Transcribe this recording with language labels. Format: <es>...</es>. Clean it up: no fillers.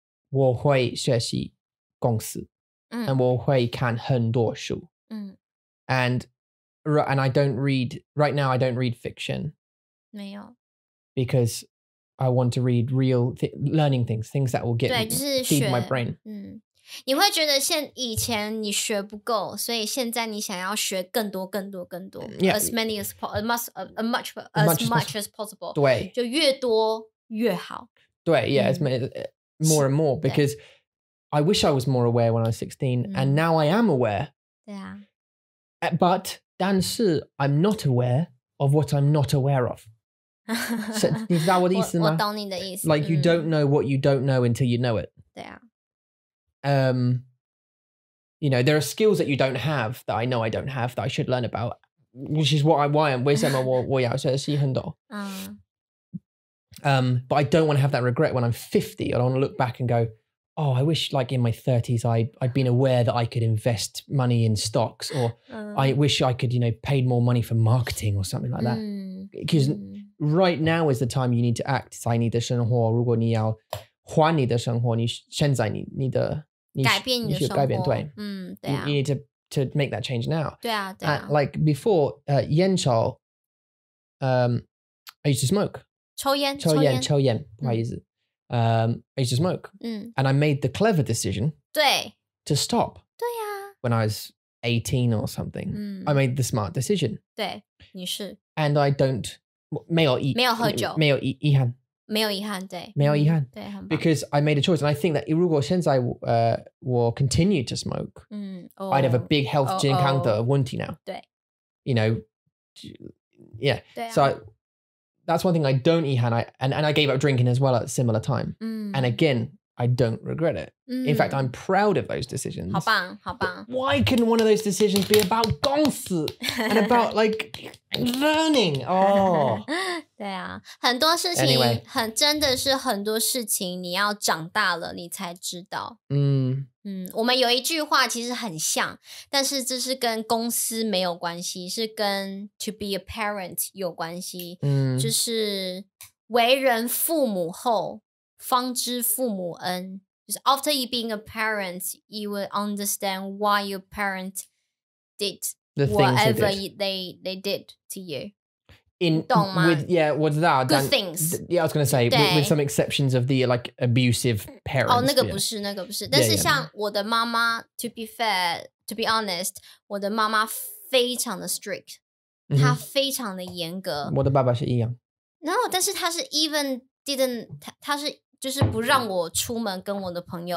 <zh>我会学习公司、嗯、 and 我会看很多书、嗯、</zh> <en>and I don't read, right now I don't read fiction.</en> <zh>没有</zh> <en>Because I want to read real, learning things, things that will get me, feed my brain.、</en> <zh>嗯你会觉得现以前你学不够，所以现在你想要学更多、更多、更多</zh> <en>yeah, ，as many as possible, as much as possible，</en> <zh>对，就越多越好。</zh> <en>对 ，yeah,、嗯、as many more and more because I wish I was more aware when I was 16,、嗯、and now I am aware.</en> <zh>对啊</zh> <en>，but 但是 I'm not aware of what I'm not aware of.</en> <zh>So, 你知道我的意思吗？我懂你的意思。</zh> <en>Like、嗯、 you don't know what you don't know until you know it.</en> <zh>对啊。</zh> <en>You know, there are skills that you don't have that I know I don't have that I should learn about, which is why I'm 为什么我要学习很多 but I don't want to have that regret when I'm 50. I don't want to look back and go, oh, I wish like in my 30s I'd been aware that I could invest money in stocks or I wish I could, you know, paid more money for marketing or something like that. Because right now is the time you need to act.</en> <zh>在你的生活，如果你要换你的生活，你现在你的改变你的生活改变对嗯对啊</zh> <en>you need to make that change now</en> <zh>对啊对啊</zh> <en>like before 烟草 I used to smoke</en> <zh>抽烟</zh> <en>不好意思、嗯、I used to smoke、嗯、 and I made the clever decision</en> <zh>对</zh> <en>to stop</en> <zh>对啊</zh> <en>when I was 18 or something、嗯、 I made the smart decision</en> <zh>对你是</zh> <en>and I don't 没有遗憾</en> <zh>没有遗憾对没有遗憾、嗯、对很棒</zh> <en>Because I made a choice and I think that 如果现在、我 continue to smoke、嗯哦、 I'd have a big health 健康的问题 now</en> <zh>对</zh> <en>You know Yeah</en> <zh>对、啊、</zh> <en>So that's one thing I don't 遗憾 and I gave up drinking as well at a similar time、嗯、 And again I don't regret it、嗯、 In fact I'm proud of those decisions</en> <zh>好棒好棒</zh> <en>Why couldn't one of those decisions be about 公司 And about like learning Oh</en> <zh>对啊，很多事情很真的是很多事情，你要长大了你才知道。嗯嗯，我们有一句话其实很像，但是这是跟公司没有关系，是跟 to be a parent 有关系。嗯，就是为人父母后，方知父母恩。</zh> <en>就是 after you being a parent, you will understand why your parent did whatever they did to you. In,</en> <zh>懂吗</zh> <en>with, yeah, what's that? Good things. Yeah, I was going to say, with some exceptions of the, like, abusive parents.</en> <zh>Oh, 那个不是,那个不是。但是像我的妈妈, to be fair, to be honest, 我的妈妈非常的 strict. 她非常的严格。我的爸爸是一样。 No, 但是她是 even didn't, 她是就是不让我出门跟我的朋友</zh>